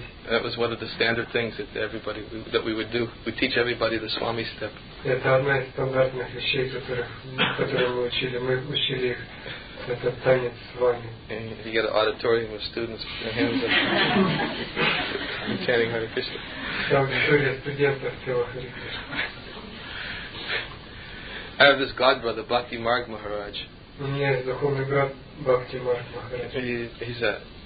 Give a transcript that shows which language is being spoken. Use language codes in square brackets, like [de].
[en] That was one of the standard things that everybody that we would do. We teach everybody the Swami step. [ru] Это одна из стандартных вещей, которые мы учили. Мы учили их этот танец с вами. [en] And you get an auditorium with students with their hands up, chanting Hare Krishna. [ru] Аудитория студентов пела Hare Krishna. [en] I have this god brother Bhakti Marg Maharaj. [ru] У меня есть духовный брат Бхакти Марг Махарадж.